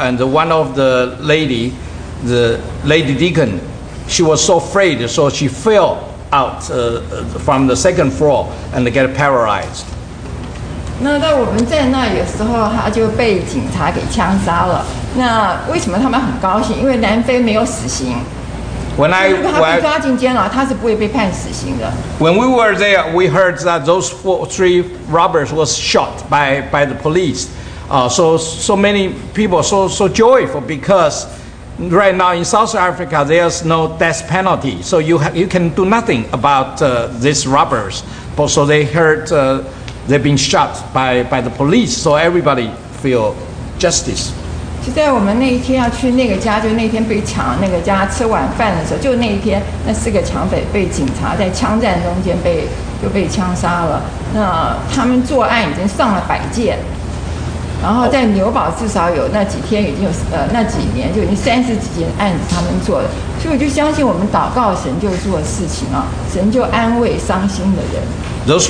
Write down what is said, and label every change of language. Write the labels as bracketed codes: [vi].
[en] And one of the lady deacon, she was so afraid, so she fell out from the second floor and get paralyzed. [zh] 那在我们在那有时候他就被警察给枪杀了。那为什么他们很高兴？因为南非没有死刑。 [en] When I [zh] 如果他被抓进监牢，他是不会被判死刑的。 [en] When we were there, we heard that those three robbers was shot by the police. So many people so joyful because right now in South Africa, there's no death penalty. So you can do nothing about these robbers. But so they heard they've been shot by the police. So everybody feel justice. [zh] 就在我们那一天要去那个家，就那天被抢那个家吃晚饭的时候，就那一天那四个抢匪被警察在枪战中间被就被枪杀了。那他们作案已经上了百件，然后在牛堡至少有那几天已经有那几年就已经三十几件案子他们做了，所以我就相信我们祷告神就做事情啊，神就安慰伤心的人。 [en] Those